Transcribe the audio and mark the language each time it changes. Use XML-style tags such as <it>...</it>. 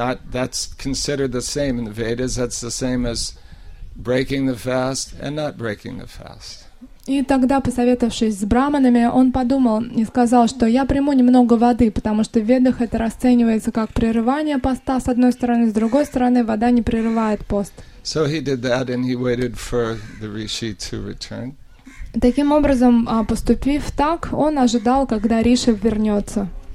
<en>That's considered the same in the Vedas. That's the same as breaking the fast and not breaking the fast."</en> <ru>И тогда, посоветовавшись с брахманами, он подумал и сказал, что я приму немного воды, потому что в Ведах это расценивается как прерывание поста с одной стороны, с другой стороны вода не прерывает пост.</ru> <en>So he did that, and he waited for the rishi to return.</en> <ru>Таким образом, поступив так, он ожидал, когда риши вернется.</ru>